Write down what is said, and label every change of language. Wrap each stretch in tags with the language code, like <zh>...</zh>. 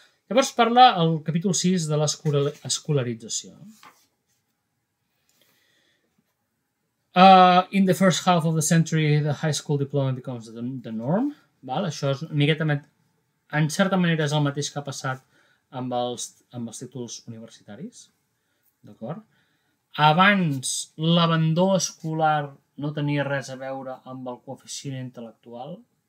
<ca>Llavors parla el capítol 6 de l'escolarització.</ca> <en>In the first half of the century, the high school diploma becomes the norm.</en> <ca>Val? Això és una miqueta, en certa manera, és el mateix que ha passat amb els títols universitaris. D'acord? Abans, l'abandó escolar no tenia res a veure amb el coeficient intel·lectual.</ca>